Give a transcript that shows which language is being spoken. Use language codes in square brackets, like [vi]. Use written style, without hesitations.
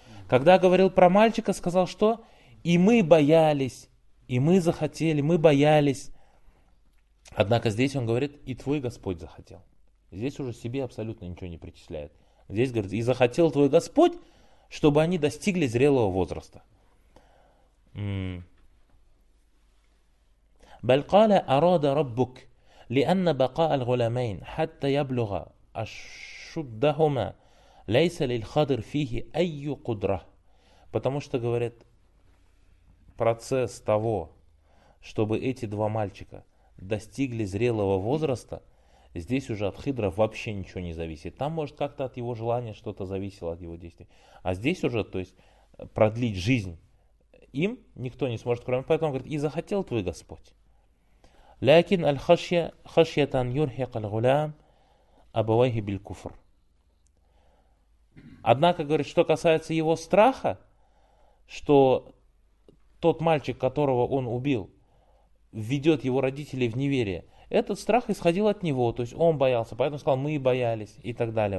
[ru] Когда говорил про мальчика, сказал, что и мы боялись, и мы захотели, мы боялись. Однако здесь он говорит, и твой Господь захотел. Здесь уже себе абсолютно ничего не причисляет. Здесь говорит, и захотел твой Господь, чтобы они достигли зрелого возраста. [ar] بل قال أراد ربك لأن بقاء الغلامين حتى يبلغ أشدهما ليس للخضر فيه أي قدرة. [ru] Потому что, говорит, процесс того, чтобы эти два мальчика достигли зрелого возраста, здесь уже от Хидра вообще ничего не зависит. Там, может, как-то от его желания что-то зависело, от его действий. А здесь уже, то есть, продлить жизнь им никто не сможет, кроме поэтому, говорит, и захотел твой Господь. [ar] لكن الخشية خشية يرهق الغلام أبويه بالكفر. [ru] Однако, говорит, что касается его страха, что тот мальчик, которого он убил, ведет его родителей в неверие. Этот страх исходил от него, то есть он боялся, поэтому сказал, мы боялись и так далее.